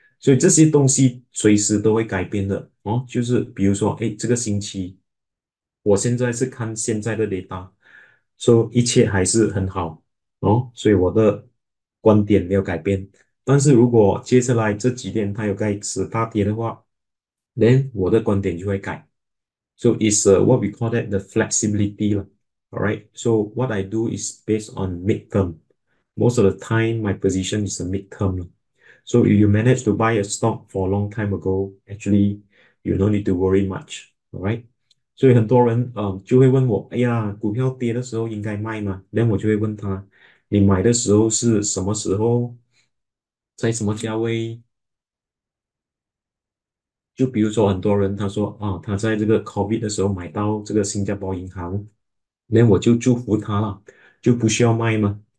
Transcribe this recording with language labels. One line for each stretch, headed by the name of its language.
Chinese: So 这些东西随时都会改变的。就是比如说这个星期我现在是看现在的 data， 所以一切还是很好，所以我的观点没有改变。但是如果接下来这几天它又开始大跌的话，
English: then
Chinese: 我的观点就会改。
English: So it's what we call that the flexibility 啦。 All right. So what I do is based on midterm. Most of the time, my position is a midterm. So if you manage to buy a stock for a long time ago, actually you don't need to worry much. All right.
Chinese: 所以很多人就会问我，哎呀，股票跌的时候应该卖吗？那我就会问他，你买的时候是什么时候，在什么价位？就比如说很多人他说啊，他在这个 COVID 的时候买到这个新加坡银行，那我就祝福他了，就不需要卖吗？